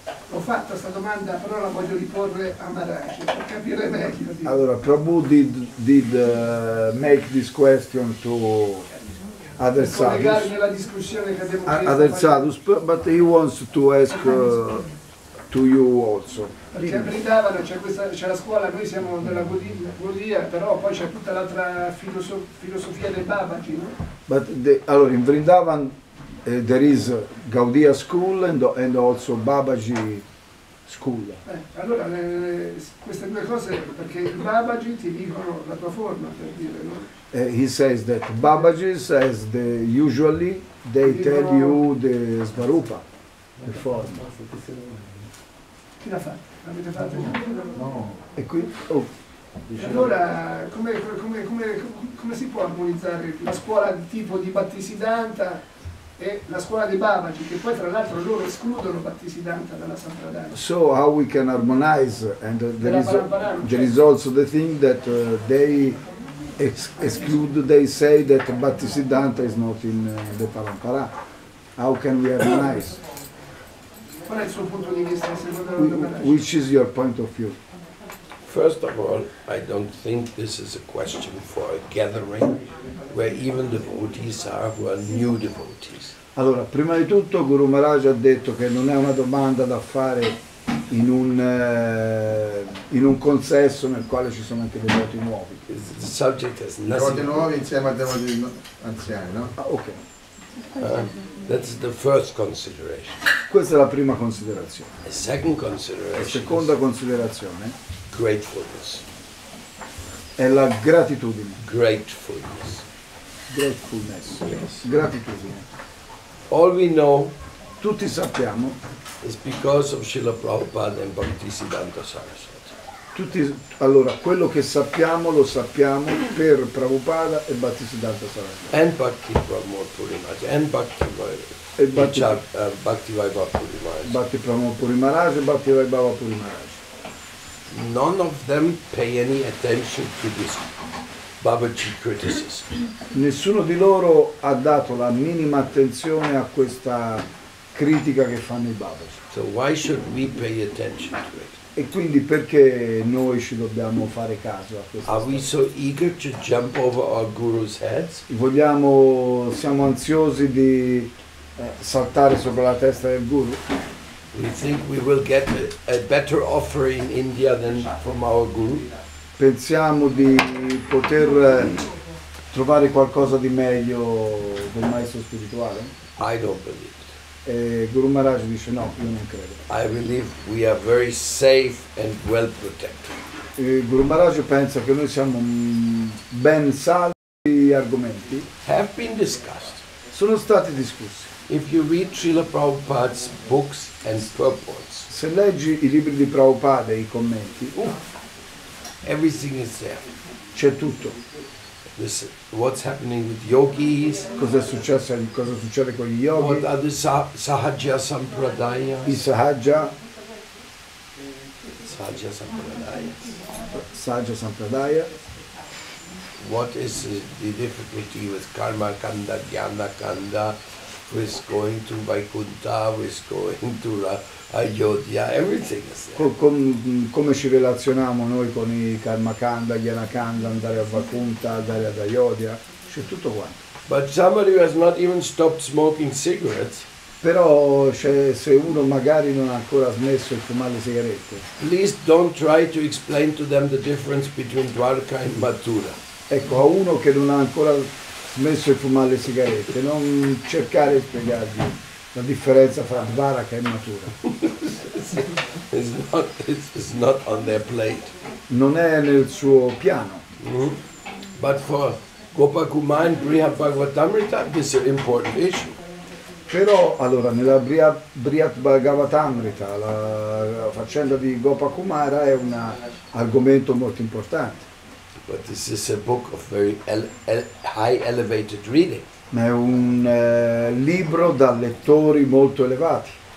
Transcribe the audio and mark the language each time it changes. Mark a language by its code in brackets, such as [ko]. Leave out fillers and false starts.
[it] Ho fatto questa domanda, però la voglio riporre a Maharaj per capire meglio. Allora, [en] Prabhu did make this question to other sadhus. [it] Nella discussione che abbiamo fatto. [en] Other sadhus, but he wants to ask to you also. [it] Perché a Vrindavana c'è la scuola, noi siamo della Gaudiya, però poi c'è tutta l'altra filosofia del Babaji, no? [en] But [it] allora [en] in Vrindavan. There is Gaudiya school and also Babaji school. [it] Allora queste due cose, perché Babaji ti dicono la tua forma, per dire, no? [en] He says that Babaji says the usually they tell you the svarupa, the form. [it] Chi l'ha fatto? L'avete fatto? No. E qui? Oh. Allora, come si può armonizzare la scuola di tipo di Bhaktisiddhanta e la scuola di Babaji, che poi tra l'altro loro escludono Bhaktisiddhanta dalla Sampradaya. [en] So how we can harmonize, and there is also the thing that they exclude, they say that Bhaktisiddhanta is not in the Parampara. How can we harmonize? [it] Qual è il suo punto di vista secondo la Parampara? [en] Which is your point of view? First of all, I don't think this is a question for a gathering where even the devotees are who are new devotees. [it] Allora, prima di tutto, Guru Maharaj ha detto che non è una domanda da fare in un consesso nel quale ci sono anche devoti nuovi. [en] The subject has nothing. [it] Devoti nuovi insieme a devoti anziani, no? Ah, ok. [en] That's the first consideration. [it] Questa è la prima considerazione. [en] A second consideration. [it] La seconda considerazione. [en] Gratefulness. [it] È la gratitudine. [en] Gratefulness. Gratefulness. Yes. [it] Gratitudine. [en] All we know, [it] tutti sappiamo, [en] is because of Srila Prabhupada and Bhaktisiddhanta Saraswati. [it] Tutti, allora, quello che sappiamo lo sappiamo per Prabhupada e Bhaktisiddhanta Saraswati. [en] And Bhakti Pramod Purimaraj. And Bhakti Vaibhav. Bhakti Vaibhav Purimaraj. [it] Bhakti Pramod Purimaraj e Bhakti Vaibhav Purimaraj. [en] None of them pay any attention to this Babaji criticism. [it] Nessuno di loro ha dato la minima attenzione a questa critica che fanno i Babaji. [en] So why should we pay attention to it? [it] E quindi perché noi ci dobbiamo fare caso a questo? [en] Are we so eager to jump over our guru's heads? [it] Siamo ansiosi di saltare sopra la testa del guru? [en] We think we will get a better offer in India than from our guru. [it] Pensiamo di poter trovare qualcosa di meglio del maestro spirituale? [en] I don't believe. [it] E Guru Maharaj dice no, io non credo. [en] I believe we are very safe and well protected. [it] Guru Maharaj pensa che noi siamo ben salvi gli argomenti. [en] Have been discussed. [it] Sono stati discussi. [en] If you read Srila Prabhupada's books and purports. [it] Se leggi i libri di Prabhupada e i commenti, [en] everything is there. [it] C'è tutto. [en] This, what's happening with yogis? [it] Cosa è successo? Cosa succede con gli yogi? [en] What are the sahaja sampradaya? [it] I sahaja. Sahaja sampradaya. Sahaja sampradaya. [en] What is the difficulty with karma kanda, jnana kanda? Who is going to Vaikuntha? Who is going to Ayodhya? Everything is there. [it] Come ci relazioniamo noi con i karma kanda, jnana kanda, andare a Vaikuntha, andare ad Ayodhya? C'è tutto quanto. [en] But somebody who has not even stopped smoking cigarettes. [it] Però c'è, se uno magari non ha ancora smesso di fumare le sigarette. [en] Please don't try to explain to them the difference between Dwarka and Mathura. [it] Ecco, a uno che non ha ancora smesso di fumare le sigarette, non cercare di spiegargli la differenza tra Dwarka e Mathura. [en] It's not on their plate. [it] Non è nel suo piano. [en] But for Gopakumar and Brihadbhagavatamrita, this is an important issue. [it] Però, allora, nella Brihat Bhagavatamrita, la faccenda di Gopakumara è un argomento molto importante. [en] But this is a book of very high elevated reading. [it] Ma è un libro da lettori molto elevati.